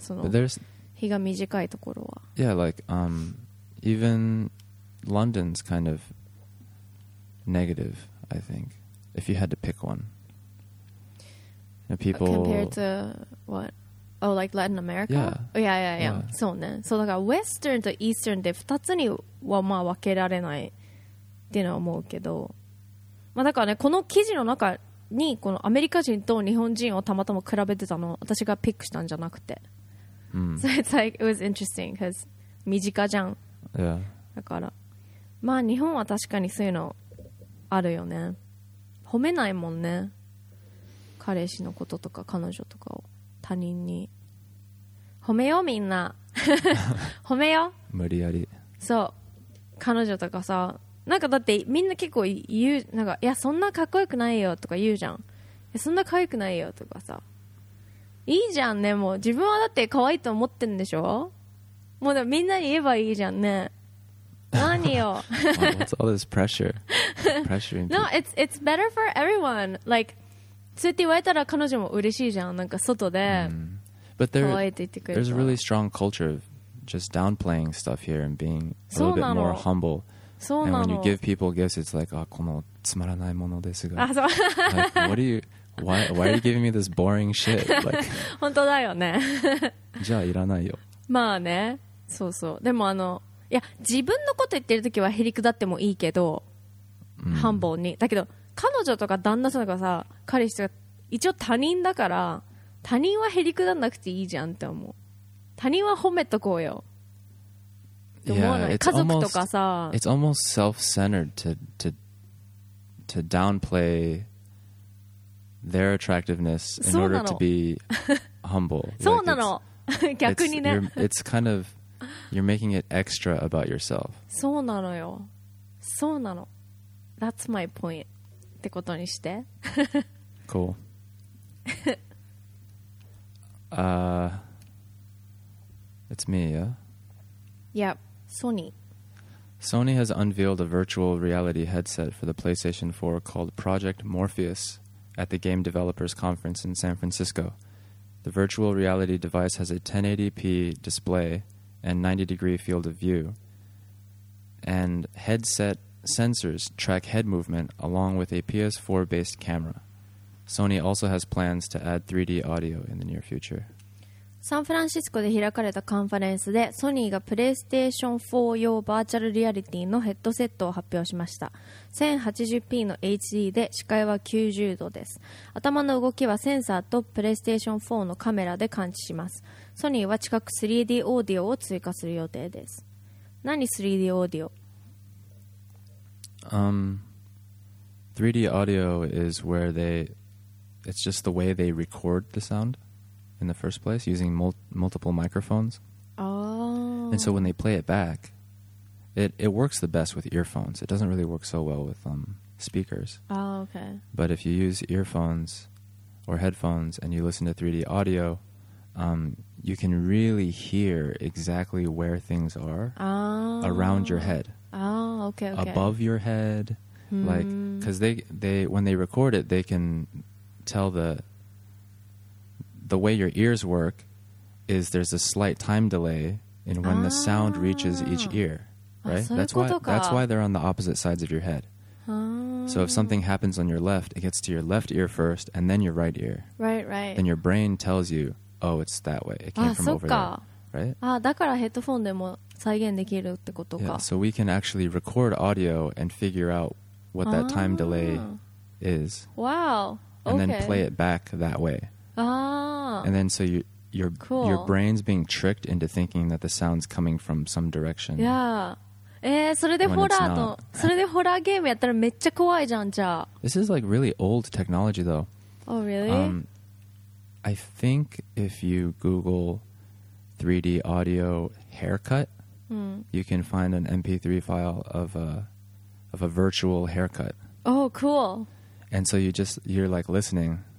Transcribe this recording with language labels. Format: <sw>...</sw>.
<ja>その日が短いところは。</ja> <en>Yeah, like even London's kind of negative, I think. If you had to pick one, you know, people compared to what? Oh, like Latin America? Yeah. Oh, yeah.</en> <ja>そうね。そうだから Western と Eastern で二つにはまあ分けられないっていうのは思うけど、まあ、だからねこの記事の中にこのアメリカ人と日本人をたまたま比べてたの、私がピックしたんじゃなくて、うん、</ja> <en>So it's like it was interesting because</en> <ja>身近じゃん、</ja> <en>yeah.</en> <ja>だからまあ日本は確かにそういうのあるよね、褒めないもんね彼氏のこととか彼女とかを他人に、褒めようみんな褒めよう無理やり、そう彼女とかさ、なんかだってみんな結構言う、なんかいやそんなかっこよくないよとか言うじゃん、いやそんなかわいくないよとかさ、いいじゃんね、もう自分はだって可愛いと思ってんでしょ、もうでもみんなに言えばいいじゃんね何よ、</ja> <en>What's all this pressure? Pressuring people. No, it's better for everyone. Like,</en> <ja>そうやって言われたら彼女も嬉しいじゃん、なんか外で、</ja> <en>But there's a really strong culture of just downplaying stuff here and being a little bit more humble.</en> <ja>そうな</ja> <en>の。 And when you give people gifts, it's like,</en> <ja>あ、このつまらないものですが。あ、そう。</ja> <en>Like, what are you, why are you giving me this boring shit? Like,</en> <ja>本当だよね。じゃあいらないよ。まあね、そうそう。でもあの、いや自分のこと言ってるときはへりくだってもいいけど、ハンボーに。だけど彼女とか旦那さんとかさ、彼氏とか一応他人だから、他人はへりくだなくていいじゃんって思う。他人は褒めとこうよ。</ja> <en>Yeah,</en> <ja>家族とかさ、</ja> <en>it's almost self-centered to downplay their attractiveness in order to be humble.</en> <ja>そうなの。逆にね。</ja> <en>It's kind of you're making it extra about yourself.</en> <ja>そうなのよ。そうなの。</ja> <en>That's my point.</en> <ja>ってことにして。</ja> <en>Cool. It's me, yeah? Yep, Sony. Sony has unveiled a virtual reality headset for the PlayStation 4 called Project Morpheus at the Game Developers Conference in San Francisco. The virtual reality device has a 1080p display and 90-degree field of view, and headset sensors track head movement along with a PS4-based camera. Sony also has plans to add 3D audio in the near future.</en> <ja>サンフランシスコで開かれたカンファレンスで、ソニーがプレイステーション4用バーチャルリアリティのヘッドセットを発表しました。 1080p の HD で視界は90度です。頭の動きはセンサーとプレイステーション4のカメラで感知します。ソニーは近く 3D オーディオを追加する予定です。何 3D オーディオ？</ja> <en>3D audio is where it's just the way they record the sound in the first place using multiple microphones. Oh. And so when they play it back, it works the best with earphones. It doesn't really work so well with speakers. Oh, okay. But if you use earphones or headphones and you listen to 3D audio, you can really hear exactly where things are around your head. Oh, okay. Above your head. Mm. Like, because they when they record it, they can tell the way your ears work is there's a slight time delay in when the sound reaches each ear, right? That's why they're on the opposite sides of your head. So if something happens on your left, it gets to your left ear first and then your right ear. Right, right. Then your brain tells you, oh, it's that way. It came from over there. Right?</en> <ja>Ah, だからヘッドフォンでも再現できるってことか。</ja> <en>Yeah, so we can actually record audio and figure out what that time delay is. Wow. And then play it back that way. And then so your brain's being tricked into thinking that the sound's coming from some direction. Yeah.</en> <ja>それでホラーゲームやったらめっちゃ怖いじゃん、じゃあ。</ja> <en>This is like really old technology though. Oh, really? I think if you Google 3D audio haircut, you can find an MP3 file of a virtual haircut. Oh, cool. And so you're like listening.</en>